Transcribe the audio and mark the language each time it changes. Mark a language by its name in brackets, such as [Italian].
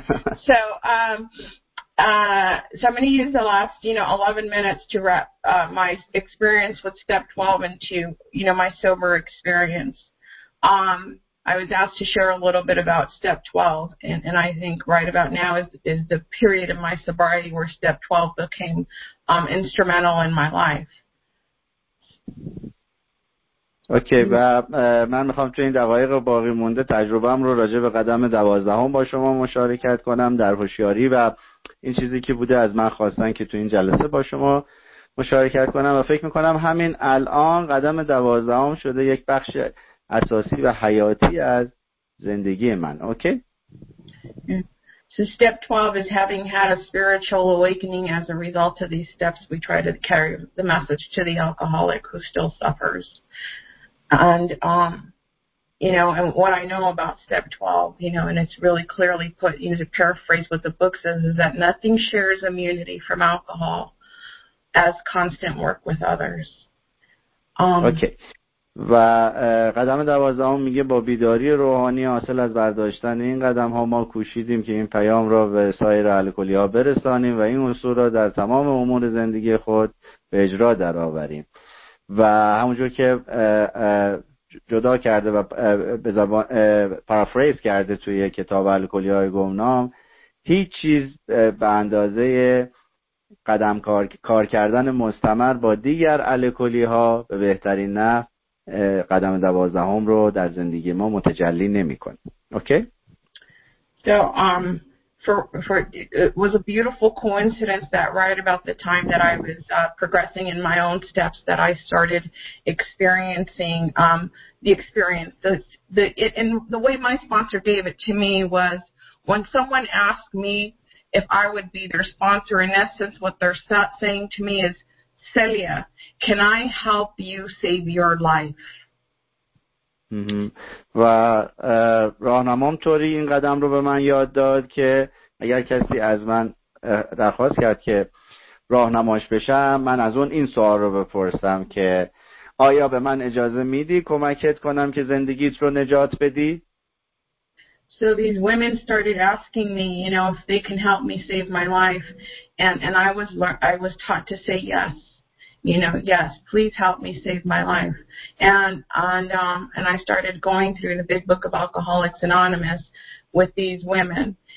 [English] So, so I'm going to use the last, 11 minutes to wrap my experience with step 12 into, my sober experience. I was asked to share a little bit about step 12, and I think right about now is the period of my sobriety where step 12 became instrumental in my life. [Persian] اوکی و من میخوام تو این دقایق باقی مونده تجربه‌ام رو راجع به قدم 12 با شما مشارکت کنم در هوشیاری و این چیزی که بوده از من خواستن که تو این جلسه با شما مشارکت کنم و فکر میکنم همین الان قدم 12 شده یک بخش اساسی و حیاتی از زندگی من. اوکی؟ [English] So step 12 is having had a spiritual awakening as a result of these steps. We try to carry the message to the alcoholic who still suffers. And, and what I know about step 12, and it's really clearly put, to paraphrase what the book says, is that nothing shares immunity from alcohol as constant work with others. Okay. [Persian] و قدم 12 میگه با بیداری روحانی حاصل از برداشتن این قدم ها ما کوشیدیم که این پیام را به سایر الکلی ها برسانیم و این اصول را در تمام امور زندگی خود به اجرا درآوریم. و همونجور که جدا کرده و به زبان پارافریز کرده توی کتاب الکلی های گمنام، هیچ چیز به اندازه قدم کار کردن مستمر با دیگر الکلی ها به بهترین نه قدم 12 رو در زندگی ما متجلی نمی‌کنه. اوکی؟ [English] So for it was a beautiful coincidence that right about the time that I was progressing in my own steps that I started experiencing the way my sponsor gave it to me was when someone asked me if I would be their sponsor, in essence what they're saying to me is Celia, can I help you save your life? Mm-hmm. [Persian] و راهنمام طوری این قدم رو به من یاد داد که اگر کسی از من درخواست کرد که راهنماش بشم، من از اون این سوال رو بپرسم که آیا به من اجازه میدی کمکت کنم که زندگیت رو نجات بدی؟ [English] So these women started asking me, if they can help me save my life, and I was taught to say yes. Yes, please help me save my life. And I started going through the Big Book of Alcoholics Anonymous with these women.